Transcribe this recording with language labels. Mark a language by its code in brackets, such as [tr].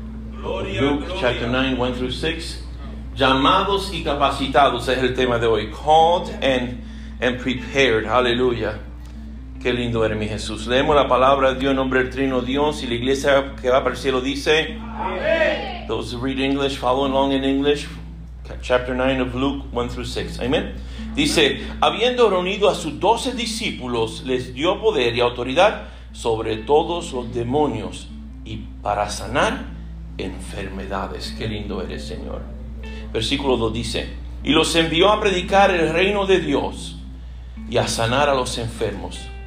[es] Gloria, [en] Luke, chapter 9, 1 through 6. [es] Llamados y capacitados es el tema de hoy. [en] Called and prepared. [es] Aleluya. Qué lindo eres, mi Jesús. Leemos la palabra de Dios en nombre del Trino Dios. Y la iglesia que va para el cielo dice: Amén. [en] Those who read English, follow along in English. Chapter 9 of Luke, 1 through 6. Amén. [es] Dice: Habiendo reunido a sus 12 discípulos, les dio poder y autoridad sobre todos los demonios y para sanar enfermedades. Qué lindo eres, Señor. Versículo 2 dice: Y los envió a predicar el reino de Dios y a sanar a los enfermos.